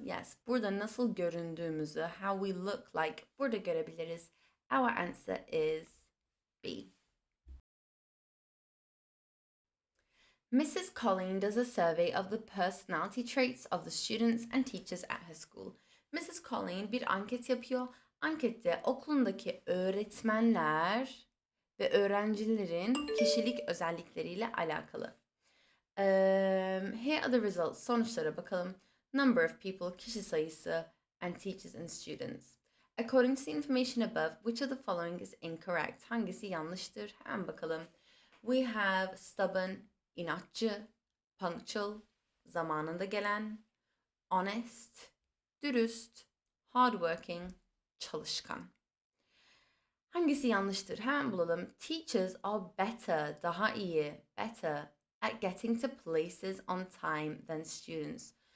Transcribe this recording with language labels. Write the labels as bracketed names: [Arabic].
[English] Yes, [Turkish] burada nasıl göründüğümüzü, [English] how we look like, [Turkish] burada görebiliriz. [English] Our answer is B. Mrs. Colleen does a survey of the personality traits of the students and teachers at her school. [Turkish] Mrs. Colleen bir anket yapıyor. Ankette okulundaki öğretmenler ve öğrencilerin kişilik özellikleriyle alakalı. [English] Here are the results. [Turkish] Sonuçlara bakalım. [English] Number of people, [Turkish] kişi sayısı, [English] and teachers and students. According to the information above, which of the following is incorrect? [Turkish] Hangisi yanlıştır? Hemen bakalım. [English] We have stubborn, [Turkish] inatçı, [English] punctual, [Turkish] zamanında gelen, [English] honest, [Turkish] dürüst, [English] hardworking, [Turkish] çalışkan. Hangisi yanlıştır? Hemen bulalım. [English] Teachers are better, [Turkish] daha iyi, [English] better at getting to places on time than students.